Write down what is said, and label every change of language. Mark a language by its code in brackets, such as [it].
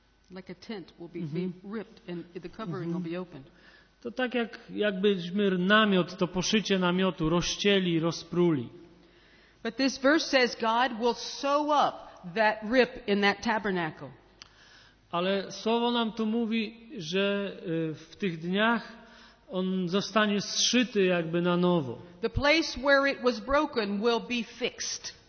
[en] Like a tent will be ripped and the covering will be opened. [pl] To tak jakbyśmy namiot, to poszycie namiotu rozcięli, rozpruli. [en] But this verse says God will sew up that rip in that tabernacle. [pl] Ale słowo nam tu mówi, że w tych dniach on zostanie zszyty jakby na nowo. [en] The place where it was broken will be fixed.